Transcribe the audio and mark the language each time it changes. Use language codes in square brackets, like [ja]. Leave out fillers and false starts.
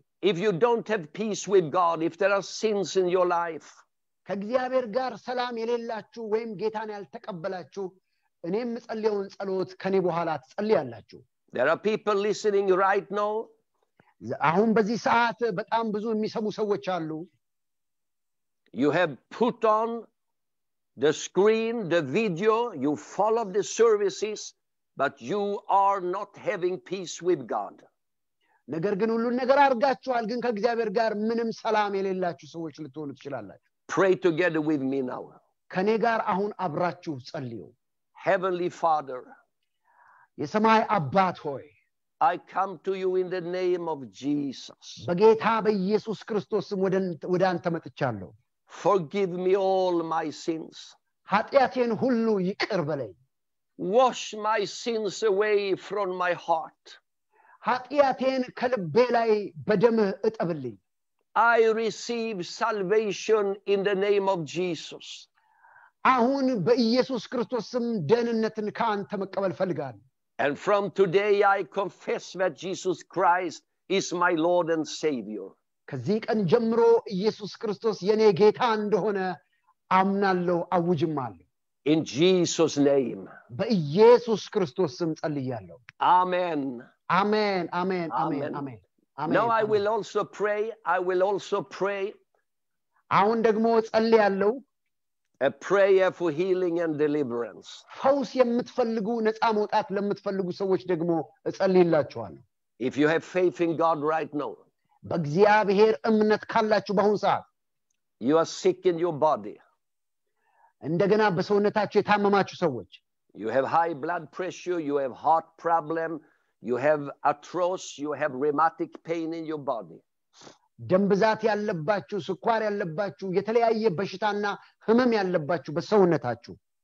[en] if you don't have peace with God if there are sins in your life [am] ከእግዚአብሔር ጋር ሰላም የሌላችሁ ወይም ጌታን ያልተቀበላችሁ እኔም ጸልየውን ጸሎት ከኔ በኋላ ትጸልያላችሁ [en] there are people listening right now [am] አሁን በዚህ ሰዓት በጣም ብዙ የሚሰሙ ሰዎች አሉ [en] you have put on the screen the video you follow the services but you are not having peace with god [am] ነገር ግን ሁሉ ነገር አርጋችኋል ግን ከእግዚአብሔር ጋር ምንም ሰላም የሌላችሁ ሰዎች ልትሆኑ ትችላላችሁ [en] pray together with me now [am] ከኔ ጋር አሁን አብራችሁ ጸልዩ [en] heavenly father [am] የሰማይ አባት ሆይ [en] I come to you in the name of Jesus. [am] በጌታ በኢየሱስ ክርስቶስም ወዳንተ መጥቻለሁ. [en] Forgive me all my sins. [am] ኃጢያቴን ሁሉ ይቅር በለኝ. [en] Wash my sins away from my heart. [am] ኃጢያቴን ከልቤ ላይ በደም እጠብልኝ. [en] I receive salvation in the name of Jesus. [am] አሁን በኢየሱስ ክርስቶስም ደህንነትን ካንተ መቀበል ፈልጋለሁ. [en] And from today I confess that Jesus Christ is my Lord and Savior. [am] ከዚቀን ጀምሮ ኢየሱስ ክርስቶስ የኔ ጌታ እንደሆነ አምናለሁ አውጅማለሁ. [en] In Jesus name. [am] በኢየሱስ ክርስቶስ ስም ጸልያለሁ. [en] Amen. Amen. Amen. Amen. Amen. Amen. Now I will also pray. I will also pray. [am] አሁን ደግሞ ጸልያለሁ. [en] A prayer for healing and deliverance. [am] ሆስ የምትፈልጉ ነፃ መውጣት ለምትፈልጉ ሰዎች ደግሞ እጸልይላችኋለሁ. [en] If you have faith in God right now. [am] በእግዚአብሔር እምነት ካላችሁ በአሁን ሰዓት. [en] You are sick in your body. [am] እንደገና በሰውነታችሁ የታመማችሁ ሰዎች. [en] You have high blood pressure, you have heart problem, you have arthrose, you have rheumatic pain in your body. [am] ደም ብዛት ያለባችሁ ስኳር ያለባችሁ የተለያየ በሽታና ህመም ያለባችሁ በሰውነታችሁ